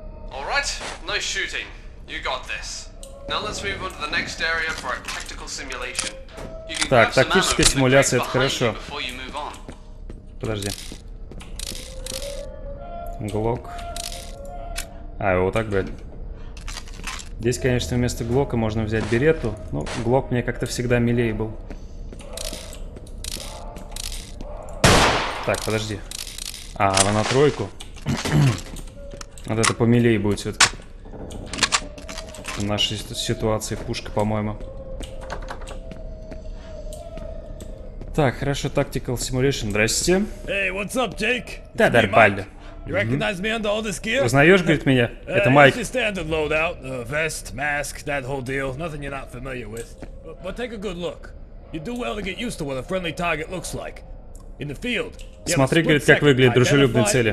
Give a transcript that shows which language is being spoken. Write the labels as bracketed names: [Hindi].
[English] All right, nice shooting. You got this. Now let's move on to the next area for a tactical simulation. [Russian] Так, тактическая симуляция, это хорошо. Подожди. Глок. А, его вот так, блядь. Здесь, конечно, вместо глока можно взять беретту. Ну, глок мне как-то всегда милее был. Так, подожди. А, она на тройку. Вот это помилее будет все-таки. В нашей ситуации пушка, по-моему. Так, хорошо, [English] tactical simulation. [Russian] Здрасте. [English] Hey, what's up, Jake? [Russian] Да, Дарбальда. [English] You recognize me under all this gear? [Russian] Узнаешь, говорит, меня? Это Майк. [English] It's a standard loadout. Vest, mask, that whole deal. Nothing you're not familiar with. But take a good look. You do well to get used to what a friendly target looks like. In the field. [Russian] Смотри, говорит, как выглядит дружелюбные цели.